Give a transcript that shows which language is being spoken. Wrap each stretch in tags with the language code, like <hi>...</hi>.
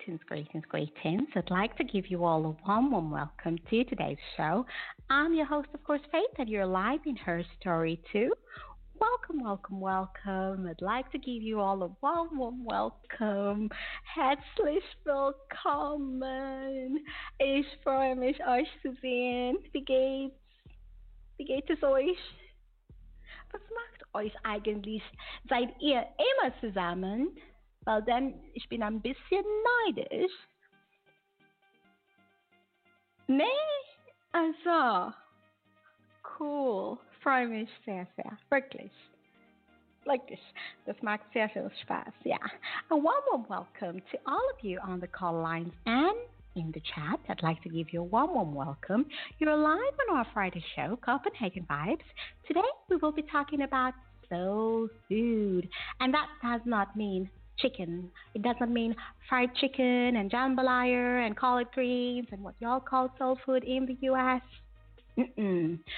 <en>Greetings. I'd like to give you all a warm welcome to today's show. I'm your host, of course, Faith, and you're live in Her Story too. Welcome. I'd like to give you all a warm welcome.</en> <de>Herzlich willkommen. Ich freue mich, euch zu sehen. Wie geht es euch? Was macht euch eigentlich? Seid ihr immer zusammen? Weil dann, ich bin ein bisschen neidisch. Nee? Also, cool. Freue mich sehr, sehr. Wirklich. Das macht sehr viel Spaß, ja.</de> <en>A warm welcome to all of you on the call lines and in the chat. I'd like to give you a warm welcome. You're live on our Friday show, Copenhagen Vibes. Today, we will be talking about soul food. And that does not mean chicken. It doesn't mean fried chicken and jambalaya and collard greens and what y'all call soul food in the U.S. Mm-mm.</en>